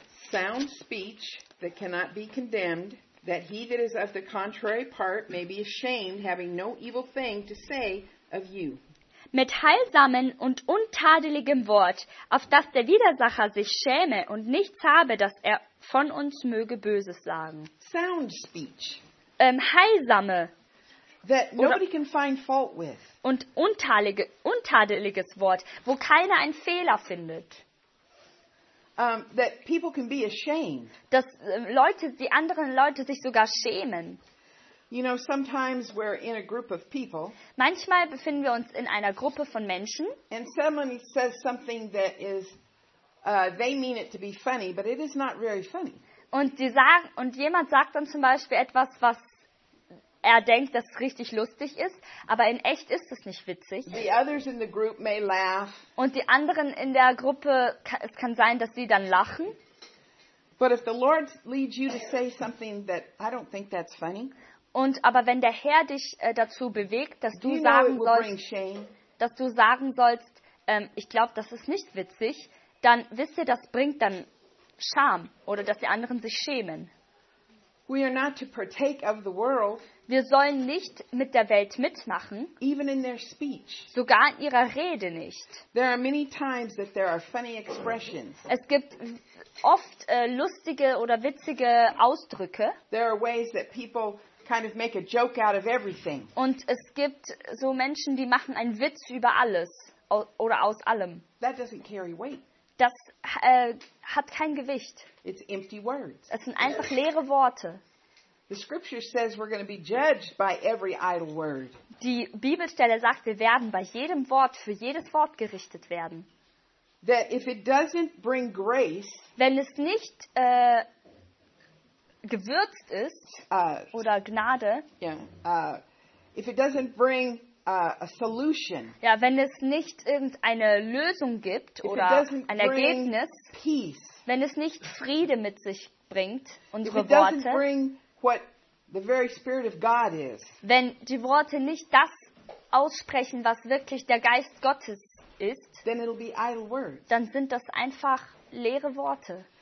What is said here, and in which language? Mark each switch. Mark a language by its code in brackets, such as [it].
[en] Sound speech that cannot be condemned, that he that is of the contrary part may be ashamed, having no evil thing to say of you. [de] Mit heilsamen und untadeligem Wort, auf dass der Widersacher sich schäme und nichts habe, dass er von uns möge Böses sagen. [en] Sound speech. [de] Heilsame. [en] That nobody can find fault with. [de] Und untadeliges Wort, wo keiner einen Fehler findet. [en] That people can be ashamed. [de] Dass die anderen Leute sich sogar schämen. [en] You know, sometimes we're in a group of people. [de] Manchmal befinden wir uns in einer Gruppe von Menschen. [en] And somebody says something that is, they mean it to be funny, but it is not very funny. [de] Und jemand sagt dann zum Beispiel etwas, was er denkt, dass es richtig lustig ist, aber in echt ist es nicht witzig. [en] The others in the group may laugh. [de] Und die anderen in der Gruppe, es kann sein, dass sie dann lachen. [en] But if the Lord leads you to say something that I don't think that's funny. [de] Und aber wenn der Herr dich dazu bewegt, dass du sagen sollst, ich glaube, das ist nicht witzig, dann wisst ihr, das bringt dann Scham oder dass die anderen sich schämen. [en] We are not to partake of the world. [de] Wir sollen nicht mit der Welt mitmachen. [en] Even in their speech. [de] Sogar in ihrer Rede nicht. [en] There are many times that there are funny expressions. [de] Es gibt oft lustige oder witzige Ausdrücke. [en] There are ways that people kind of make a joke out of everything. [de] Und es gibt so Menschen, die machen einen Witz über alles oder aus allem. [en] That doesn't carry weight. [de] Das hat kein Gewicht. [en] It's empty words. [de] Es sind einfach leere Worte. [en] The scripture says we're going to be judged by every idle word. [de] Die Bibelstelle sagt, wir werden bei jedem Wort für jedes Wort gerichtet werden. [en] That if it doesn't bring grace, [de] wenn es nicht gewürzt ist oder Gnade, [en] yeah, if it doesn't bring a solution, [de] ja, wenn es nicht irgendeine Lösung gibt oder ein Ergebnis, [en] peace, [de] wenn es nicht Friede mit sich bringt, unsere [en] if it doesn't [de] Worte, [en] bring what the very spirit of God is, [de] wenn die Worte nicht das aussprechen, was wirklich der Geist Gottes ist, [en] then it'll be idle words. [de] Dann sind das einfach leere Worte.